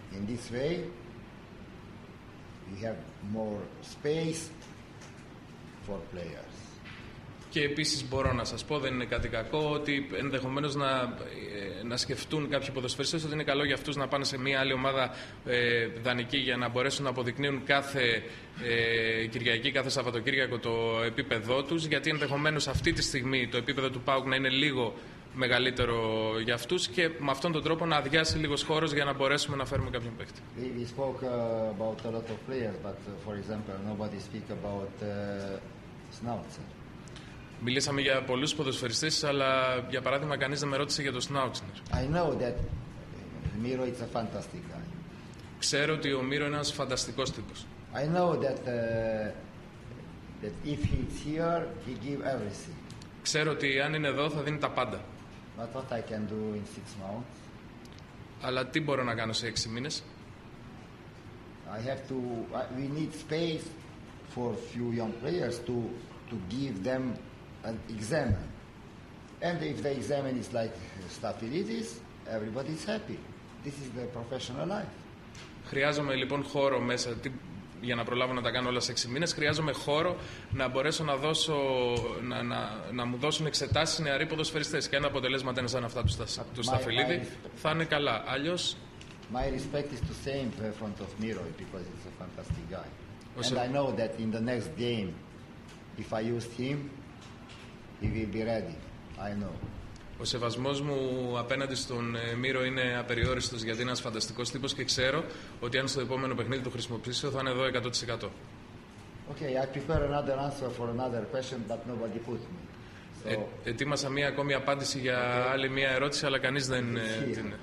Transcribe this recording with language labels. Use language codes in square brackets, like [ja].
[en] In this way, we have more space for players. [el] Και επίσης μπορώ να σας πω, δεν είναι κάτι κακό, ότι ενδεχομένως να σκεφτούν κάποιοι ποδοσφαιριστές ότι είναι καλό για αυτούς να πάνε σε μια άλλη ομάδα δανεική για να μπορέσουν να αποδεικνύουν κάθε Κυριακή, κάθε Σαββατοκύριακο το επίπεδό τους, γιατί ενδεχομένως αυτή τη στιγμή το επίπεδο του ΠΑΟΚ να είναι λίγο μεγαλύτερο για αυτούς και με αυτόν τον τρόπο να αδειάσει λίγος χώρος για να μπορέσουμε να φέρουμε κάποιον παίκτη. [en] We spoke about a lot of players, but for example, nobody speak about Schnauzer. [el] Μιλήσαμε για πολλούς ποδοσφαιριστές, αλλά για παράδειγμα κανείς δεν με ρώτησε για τον Schnauzer. [en] I know that Miro is a fantastic guy. [el] Ξέρω ότι ο Miro είναι ένας φανταστικός τύπος. [en] I know that that if he's here, he give everything. [el] Ξέρω ότι αν είναι εδώ θα δίνει τα πάντα. [en] But what I can do in six months? [el] Αλλά τι μπορώ να κάνω σε έξι μήνες? [en] I have to. We need space for few young players to give them an exam. And if the exam is like Stafilidis, everybody's happy. This is the professional life. [el] Χρειάζομαι λοιπόν χώρο μέσα. Για να προλάβω να τα κάνω όλα σε 6 μήνες, χρειάζομαι χώρο να μπορέσω να δώσω, να μου δώσουν εξετάσεις νεαροί ποδοσφαιριστές. Και ένα αποτελέσμα δεν είναι σαν αυτά του Σταφυλίδη, θα είναι καλά. Αλλιώς. [en] My respect is the same in front of Miro, because he's a fantastic guy. And I know that in the next game, if I use him, he will be ready. I know. [el] Ο σεβασμός μου απέναντι στον Μύρο είναι απεριόριστος, γιατί είναι ένας φανταστικός τύπος και ξέρω ότι αν στο επόμενο παιχνίδι το χρησιμοποιήσω θα είναι εδώ 100%. Okay, I prepare another answer for another question, but nobody put me. So... Ετοίμασα μία ακόμη απάντηση για okay. άλλη μία ερώτηση, αλλά κανείς δεν την...